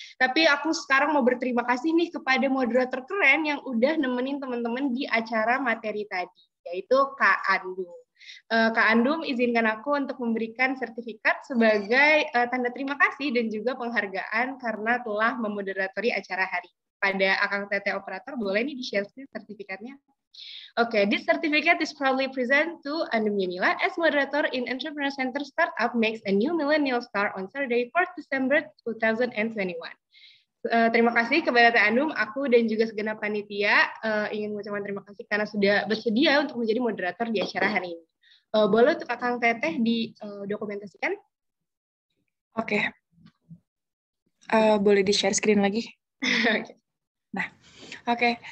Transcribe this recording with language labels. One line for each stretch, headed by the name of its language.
Indonesian: Tapi aku sekarang mau berterima kasih nih kepada moderator keren yang udah nemenin teman-teman di acara materi tadi, yaitu Kak Andum. Kak Andum, izinkan aku untuk memberikan sertifikat sebagai tanda terima kasih dan juga penghargaan karena telah memoderatori acara hari. Pada Akang TT Operator, boleh nih di-share sih sertifikatnya.
English: Oke, okay, this certificate is proudly presented to Andum Yanila as moderator in Entrepreneur Center Startup Makes a New Millennial Star on Saturday, 4 December 2021.
Indonesian: Terima kasih kepada Teh Andum, aku dan juga segenap panitia ingin mengucapkan terima kasih karena sudah bersedia untuk menjadi moderator di acara hari ini. Boleh untuk Kang Teteh didokumentasikan? Oke. Okay. Boleh di-share screen lagi? Oke. Okay. Nah, oke. Okay.